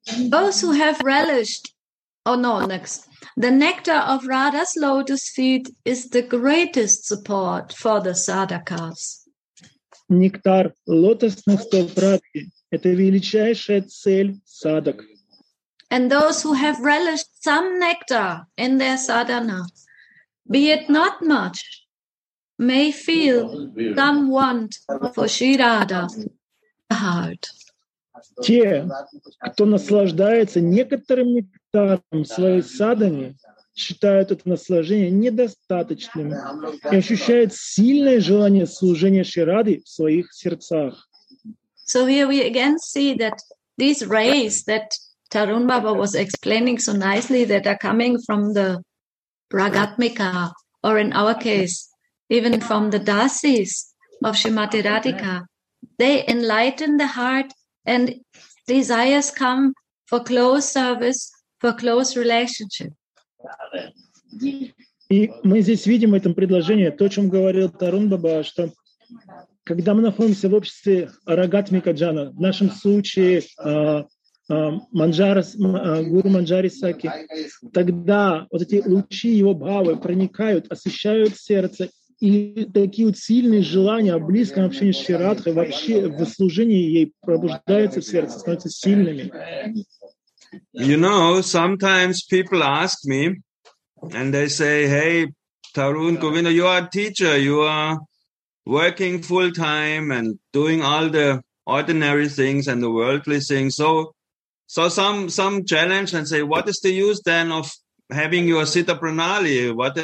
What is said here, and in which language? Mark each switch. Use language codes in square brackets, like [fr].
[en] Those who have relished, the nectar of Radha's lotus feet is the greatest support for the sadhakas. [ru] Нектар лотосных стоп Радхи – это величайшая цель садак. [en] And those who have relished some nectar in their sadhana, be it not much, may feel some want for Shri Radha, the heart. [ru] Те, кто наслаждается некоторым нектаром своей садхани, считают это наслаждение недостаточным и ощущают сильное желание служения Шри Раде в своих сердцах. [en] So here we again see that these rays that Tarun Baba was explaining so nicely that are coming from the Pragatmika, or in our case, even from the Dasis of Shrimati Radhika, they enlighten the heart and desires come for close service, for close relationship. [ru] И мы здесь видим в этом предложении то, о чем говорил Тарун Баба, что Когда мы находимся в обществе Рагатмика Джана, в нашем случае Гуру Манджари Саки, тогда вот эти лучи его бхавы проникают, освещают сердце, и такие вот сильные желания о близком общении с Ширадхой вообще в служении ей пробуждаются в сердце, становятся сильными. [en] You know, sometimes people ask me, and they say, hey, Tarun Govinda, you are a teacher, you are working full-time and doing all the ordinary things and the worldly things. So some challenge and say, what is the use then of having your Siddha Pranali?